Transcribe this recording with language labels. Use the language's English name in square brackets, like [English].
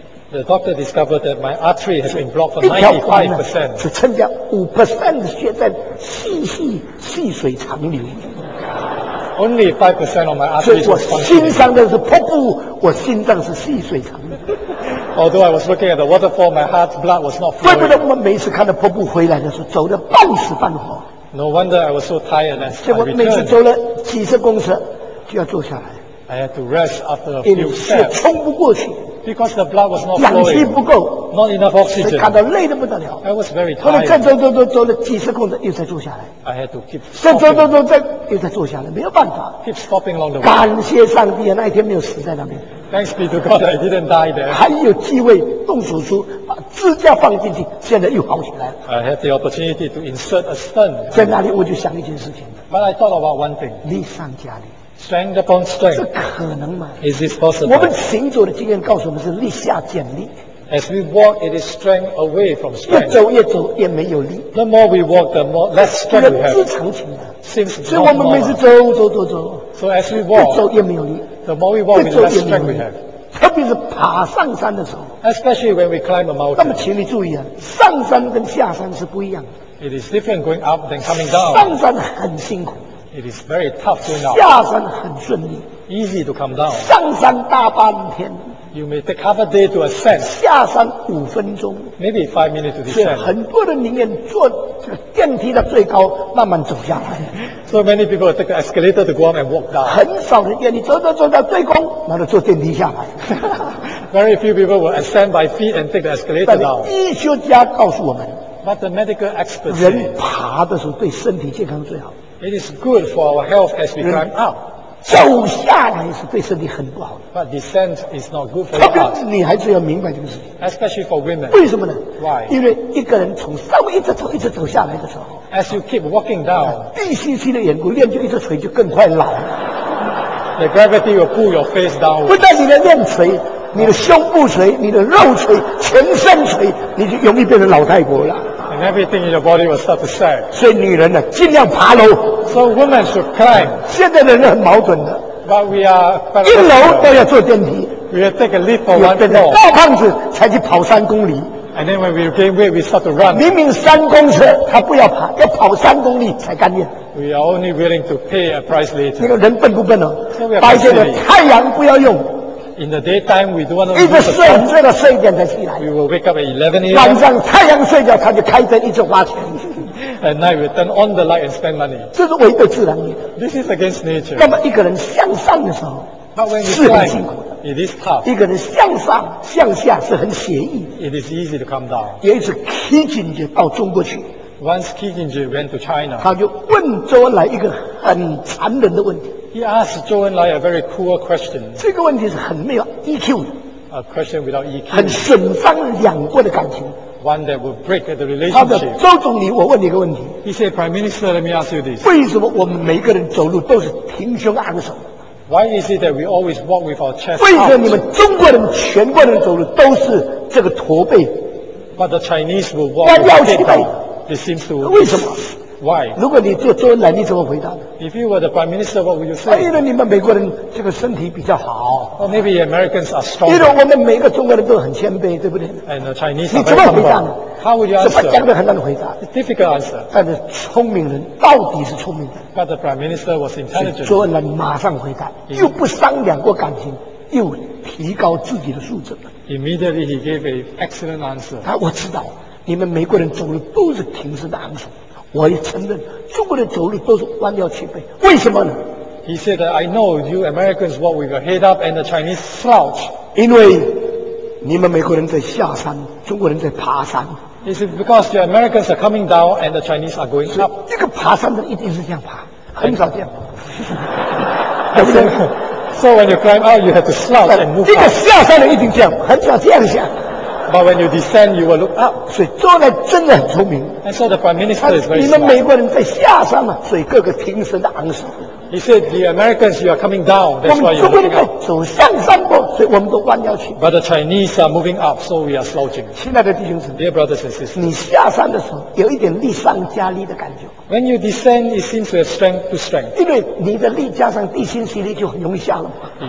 [English] The doctor discovered that my artery has been blocked for 95%. [Chinese] 只剩下5%的血在细水长流。 [English] Only 5% of my artery. [Chinese] 所以我欣赏的是瀑布，我心脏是细水长流。 [English] Although I was looking at the waterfall, my heart's blood was not flowing. [Chinese] 怪不得我们每次看到瀑布回来的时候，走得半死半活。 [English] No wonder I was so tired. [Chinese] 结果每次走了几十公尺，就要坐下来。 [English] I had to rest after a few steps. [Chinese] 血冲不过去。 [English] Because the blood was not flowing. [Chinese] 氧气不够。 [English] Not enough oxygen. [Chinese] 所以感到累得不得了。 [English] I was very tired. [Chinese] 后来再走了几十公尺，又再坐下来。 [English] I had to keep stopping. [Chinese] 再走再又再坐下来，没有办法。 [English] Keep stopping along the way. [Chinese] 感谢上帝啊，那一天没有死在那边。 [English] Thanks be to God, I didn't die there. [Chinese] 还有机会动手术，把支架放进去，现在又好起来了。 [English] I had the opportunity to insert a stent. [Chinese] 在那里我就想一件事情。 [English] But I thought about one thing. [Chinese] 力上加力。 [English] Strength upon strength. [Chinese] 这可能吗？ [English] Is this possible? [Chinese] 我们行走的经验告诉我们是力下减力。 [English] As we walk, it is strength away from strength. [Chinese] 越走越没有力。 [English] The more we walk, the more less strength we have. [Chinese] 越支撑起来。 [English] Seems not more. [Chinese] 所以我们每次走。 [English] So as we walk, [Chinese] 越走越没有力。 [English] The more we walk, the less strength we have. [Chinese] 特别是爬上山的时候。 [English] Especially when we climb a mountain. [Chinese] 那么请你注意啊，上山跟下山是不一样的。 [English] It is different going up than coming down. [Chinese] 上山很辛苦。 [English] It is very tough going up. [Chinese] 下山很顺利。 [English] Easy to come down. [Chinese] 上山大半天。 [English] You may take half a day to ascend. [Chinese] 下山五分钟。 [English] Maybe 5 minutes to descend. [Chinese] 所以很多人宁愿坐这个电梯的最高，慢慢走下来。 [English] So many people take the escalator to go up and walk down. [Chinese] 很少人愿意走到最高，然后坐电梯下来。 [English] Very few people will ascend by feet and take the escalator down. [Chinese] 但医学家告诉我们 [English] ，But the medical experts. [Chinese] 人爬的时候对身体健康最好。 [English] It is good for our health as we climb up. [Chinese] 走下来是对身体很不好的。 [English] But descent is not good for us. [Chinese] 女孩子要明白这个事情。 [English] Especially for women. [Chinese] 为什么呢 [English] ？Why? [Chinese] 因为一个人从上面一直走下来的时候 [English] ，As you keep walking down, [Chinese] 地心吸的缘故，练就一只锤就更快老。 [English] The gravity will pull your face down. [Chinese] 不但你的练锤，你的胸部锤，你的肉锤，全身锤，你就容易变成老太婆了。 [English] And everything in your body will start to sag. [Chinese] 所以女人呢，尽量爬楼。 [English] So women should climb. [Chinese] 现在的人很矛盾的。 [English] But we are [Chinese] 一楼都要坐电梯。 [English] We will take a lift for 1 floor. [Chinese] 大胖子才去跑3公里。 [English] And then when we gain weight, we start to run. [Chinese] 明明3公尺，他不要爬，要跑3公里才甘愿。 [English] We are only willing to pay a price later. [Chinese] 你看人笨不笨哦？白天的太阳不要用。 [English] In the daytime, we don't want to. [Chinese] 一直睡，睡到睡一点才起来。 [English] We will wake up at 11 a.m. [Chinese] 晚上太阳睡觉，他就开灯，一直花钱。 [English] At night, we turn on the light and spend money. [Chinese] 这是违背自然的。 [English] This is against nature. [Chinese] 那么一个人向上的时候， [English] But when you [Chinese] 是很辛苦的。 [English] It is tough. [Chinese] 一个人向上向下是很惬意。 [English] It is easy to come down. [Chinese] 有一次 Kissinger 到中国去。 [English] Once Kissinger went to China. [Chinese] 他就问周恩来一个很残忍的问题。 [English] He asked 周恩来 a very cruel question. [Chinese] 这个问题是很没有 EQ 的。 [English] A question without EQ. [Chinese] 很损伤两国的感情。 [English] One that would break the relationship. [Chinese] 他说：“周总理，我问你一个问题。” [English] He said, "Prime Minister, let me ask you this." [Chinese] 为什么我们每个人走路都是挺胸昂首 [English] ？Why is it that we always walk with our chest out? [Chinese] 为什么你们中国人、全国人走路都是这个驼背 [English] ？But the Chinese will walk with our head down. This seems to [Chinese] 为什么？ [English] Why? [Chinese] 如果你做周恩来，你怎么回答呢 [English] ？If you were the Prime Minister, what would you say? [Chinese] 因为你们美国人这个身体比较好。 [English] Or maybe Americans are stronger. [Chinese] 因为我们每个中国人都很谦卑，对不对 [English] ？And the Chinese. [Chinese] 你怎么回答呢 [English] ？How would you answer? [Chinese] 怎么讲的很难回答 [English] ？It's difficult answer. [Chinese] 但是聪明人到底是聪明的。 [English] But the Prime Minister was intelligent. [Chinese] 周恩来马上回答，又不伤两国感情，又提高自己的素质。 [English] Immediately he gave an excellent answer. [Chinese] 他我知道，你们美国人走路都是挺身的昂首。我也承认，中国人走路都是弯腰驼背，为什么呢 [English] ？He said that I know you Americans walk with your head up and the Chinese slouch. [Chinese] 因为你们美国人在下山，中国人在爬山。 [English] He said because the Americans are coming down and the Chinese are going up. [Chinese] 这个爬山的一定是这样爬，很少这样爬。对不对 [English] ？So when you climb up, you have to slouch and move. [Chinese] 这个下山的一定这样，很少这样下。 [English] But when you descend, you will look up. [Chinese] 所以周恩来真的很聪明。 [English] And so the Prime Minister is very smart. [Chinese] 你们美国人在下山嘛，所以个个挺身的昂首。 [English] He said, "The Americans, you are coming down. That's why you're looking up." [Chinese] 我们中国人走向山坡，所以我们都弯腰去。 [English] But the Chinese are moving up, so we are slouching. [Chinese] 亲爱的弟兄姊妹 [English] ，Dear brothers and sisters, [Chinese] 你下山的时候有一点力上加力的感觉。 [English] When you descend, it seems to have strength to strength. [Chinese] 因为你的力加上地心吸力就很容易下了嘛。